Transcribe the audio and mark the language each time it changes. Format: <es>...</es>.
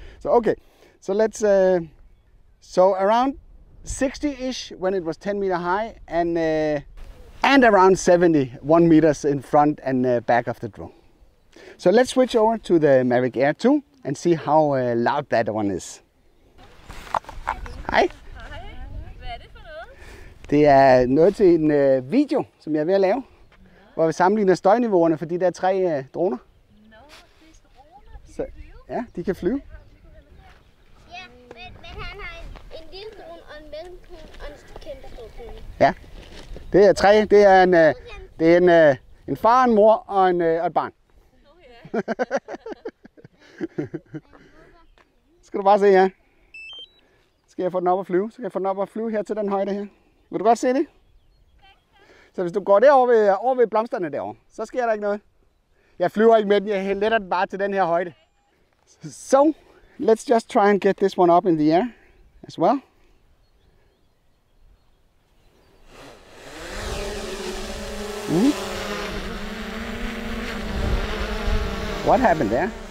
<en>So okay, so let's so around 60-ish when it was 10 meter high, and around 71 meters in front and back of the drone. So let's switch over to the Mavic Air 2 and see how loud that one is. Hi.</en> <da>Det er noget til en video, som jeg er ved at lave, hvor vi sammenligner støjniveauerne for de der tre droner. Nå, det er droner, de så, kan flyve. Ja, de kan flyve. Ja, men han har en lille drone og en mellemdrone og en kæmpe. Ja, det er tre. Det er en, det er en, en far, en mor og, en, og et barn. Ja. Skal du bare se, ja. Skal jeg få den op at flyve? Så kan jeg få den op at flyve her til den højde her. Vil du godt se det? Så hvis du går derover ved, over ved blomsterne derover, så sker der ikke noget. Jeg flyver ikke med den, jeg letter den bare til den her højde.</da> <en>So, let's just try and get this one up in the air as well. Mm-hmm. What happened there?</en>